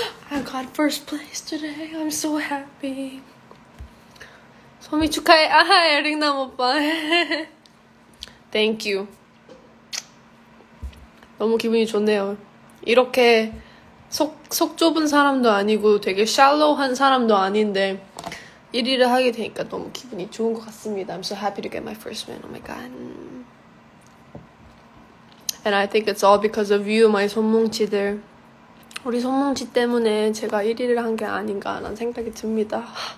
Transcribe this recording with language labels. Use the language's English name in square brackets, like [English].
[English] I got first place today. I'm so happy. Somi [Korean] 축하해. [English] 에릭남 오빠. Thank you. [Korean] 너무 기분이 좋네요. 이렇게 속 좁은 사람도 아니고 되게 샬로우한 사람도 아닌데 1위를 하게 되니까 너무 기분이 좋은 것 같습니다. [English] I'm so happy to get my first win. Oh my god. And I think it's all because of you, my 손뭉치들. [Korean] 우리 손뭉치 때문에 제가 1위를 한 게 아닌가라는 생각이 듭니다.